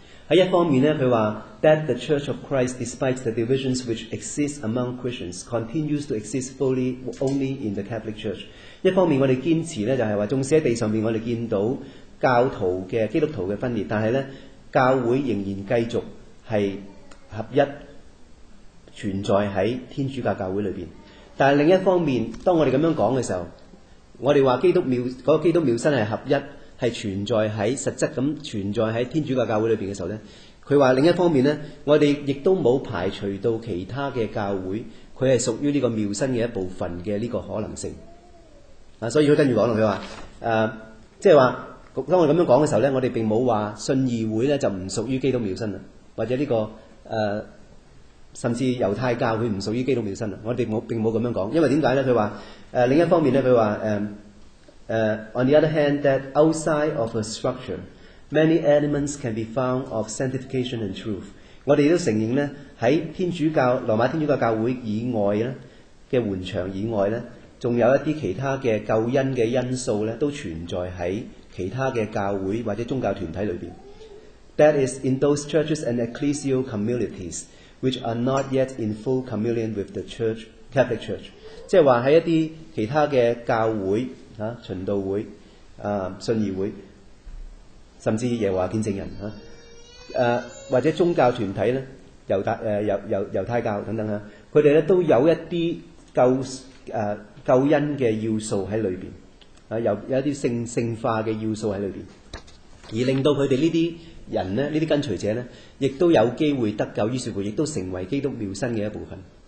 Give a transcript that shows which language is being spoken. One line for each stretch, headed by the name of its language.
Chinese: 在一方面呢，他说
English: that the Church of Christ, despite the divisions which exist among Christians, continues to exist fully only in the Catholic Church.
Chinese: 一方面我们坚持呢，就是说纵使在地上我们见到教徒的基督徒的分裂，但是呢教会仍然继续是合一存在在天主教教会里面。但是另一方面，当我们这样讲的时候，我们说基督庙身是合一，是存在在实质地存在在天主教教会里面的时候呢，他说另一方面呢，我们亦都没有排除到其他的教会他是属于这个庙身的一部分的这个可能性。所以他跟着说，他说就是说当我们这样讲的时候呢，我们并没有说信义会呢就不属于基督庙身，或者这个甚至犹太教会不属于基督庙身，我们并没有这样讲。因为为什么呢？他说另一方面呢，他说
English: on the other hand, that outside of a structure, many elements can be found of sanctification and truth.
Chinese: 我们也承认呢，在天主教罗马天主教教会以外呢的援墙以外呢，还有一些其他的救恩的因素呢都存在在其他的教会或者宗教团体里面。
English: That is, in those churches and ecclesial communities, which are not yet in full communion with the church, Catholic Church.
Chinese: 即是说在一些其他的教会循道会、信义会，甚至耶和华见证人、或者宗教团体呢，犹太教等等，他们都有一些 救恩的要素在里面、有一些 圣化的要素在里面，而令到他们这些人呢，这些跟随者呢也都有机会得救，于是乎也都成为基督庙身的一部分。